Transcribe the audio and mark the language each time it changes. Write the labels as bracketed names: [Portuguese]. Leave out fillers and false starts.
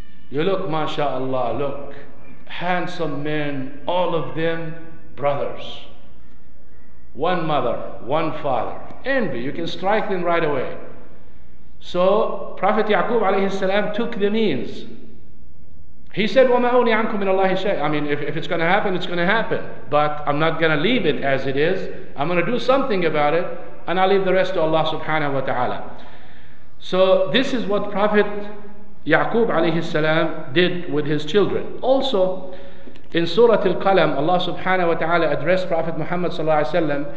[English] You look, mashallah, look, handsome men, all of them brothers. One mother, one father. Envy, you can strike them right away. So Prophet Ya'qub alayhi salam took the means. He said, [Arabic] وَمَا أُغْنِي عَنْكُمْ مِنَ اللَّهِ شَيْءٍ. [English] I mean, if it's going to happen, it's going to happen. But I'm not going to leave it as it is. I'm going to do something about it. And I'll leave the rest to Allah subhanahu wa ta'ala. So this is what Prophet Ya'qub alayhi salam did with his children. Also, in Surah Al-Qalam, Allah subhanahu wa ta'ala addressed Prophet Muhammad sallallahu alayhi wasallam.